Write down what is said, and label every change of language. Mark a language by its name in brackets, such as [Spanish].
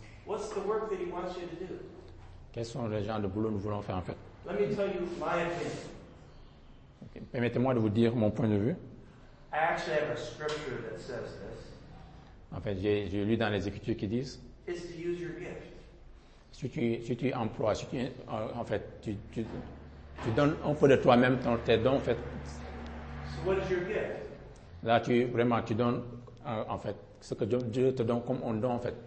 [English] What's the work that he wants you to do? [French] Quels sont les genres de boulot que nous voulons faire, en fait? [English] Let me tell you my opinion. Okay. [French] Permettez-moi de vous dire mon point de vue. [English] I actually have a scripture that says this. [French] En fait, j'ai lu dans les Écritures qui disent. [English] Is to use your gift. [French] Si tu emploies, si tu en fait tu donnes un peu de toi-même, ton tes dons, en fait. [English] So what is your gift? [French] Là, tu donnes en fait ce que Dieu te donne comme un don, en fait.